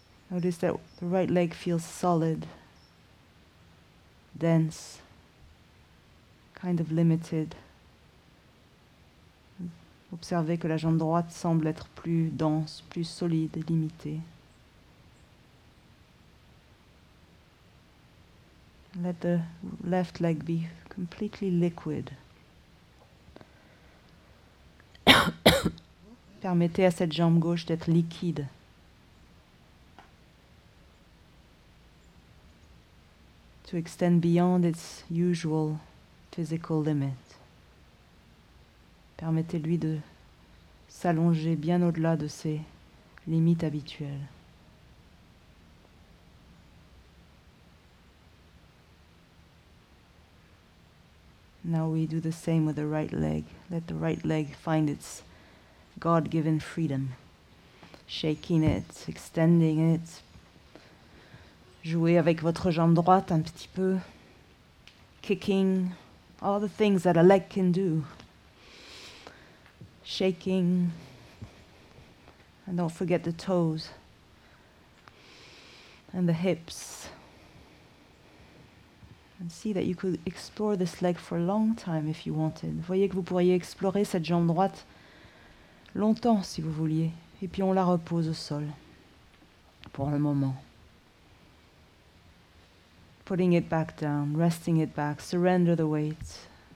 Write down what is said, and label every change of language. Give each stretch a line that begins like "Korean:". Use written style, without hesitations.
English: Notice that the right leg feels solid, dense, kind of limited.
French: Observez que la jambe droite semble être plus dense, plus solide, limitée.
English: Let the left leg be completely liquid.
French: Permettez à cette jambe gauche d'être liquide.
English: To extend beyond its usual physical limit.
French: Permettez-lui de s'allonger bien au-delà de ses limites habituelles.
English: Now we do the same with the right leg. Let the right leg find its God-given freedom. Shaking it, extending it.
French: Jouez avec votre jambe droite un petit peu.
English: Kicking, all the things that a leg can do. Shaking. And don't forget the toes. And the hips. And see that you could explore this leg for a long time if you wanted.
French: Voyez que vous pourriez explorer cette jambe droite longtemps si vous vouliez. Et puis on la repose au sol pour le moment.
English: Putting it back down, resting it back, surrender the weight.